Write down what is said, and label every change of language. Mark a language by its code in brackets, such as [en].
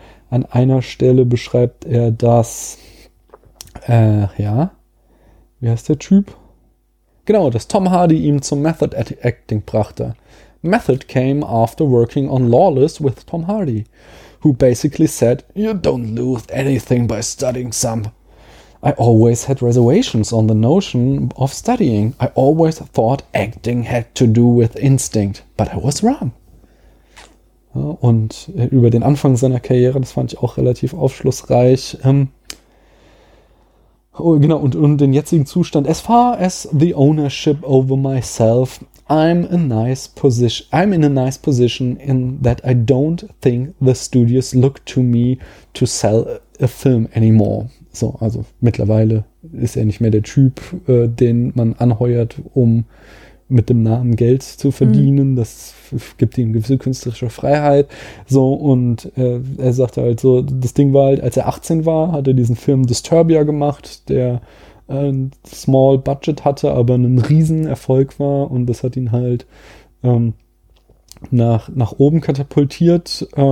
[de] an einer Stelle beschreibt er das, wie heißt der Typ? Genau, dass Tom Hardy ihm zum Method Acting brachte. [en] Method came after working on Lawless with Tom Hardy, who basically said, you don't lose anything by studying some. I always had reservations on the notion of studying. I always thought acting had to do with instinct, but I was wrong. [de] Ja, und über den Anfang seiner Karriere, das fand ich auch relativ aufschlussreich. Und den jetzigen Zustand. [en] As far as the ownership over myself, I'm in a nice position in that I don't think the studios look to me to sell a film anymore. [de] So, also mittlerweile ist er nicht mehr der Typ, den man anheuert, um mit dem Namen Geld zu verdienen. Mhm. Das gibt ihm gewisse künstlerische Freiheit. So, und er sagte halt so, das Ding war halt, als er 18 war, hat er diesen Film Disturbia gemacht, der ein [en] small budget [de] hatte, aber ein Riesenerfolg war, und das hat ihn halt nach oben katapultiert.